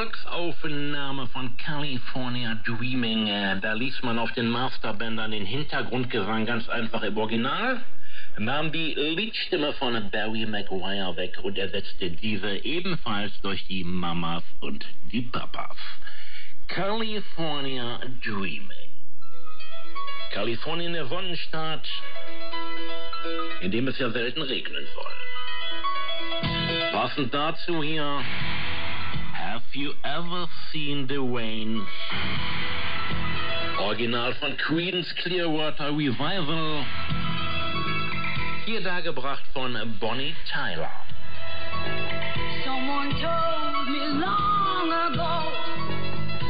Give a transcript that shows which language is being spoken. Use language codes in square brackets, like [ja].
[de] Aufnahme von California Dreaming. Da ließ man auf den Masterbändern den Hintergrundgesang ganz einfach im Original, nahm die Liedstimme von Barry McGuire weg und ersetzte diese ebenfalls durch die Mamas und die Papas. California Dreaming. Kalifornien, der Sonnenstaat, in dem es ja selten regnen soll. Passend dazu hier. [en] Have you ever seen the rain? [de] Original von Creedence Clearwater Revival. Hier dargebracht von Bonnie Tyler. [en] Someone told me long ago.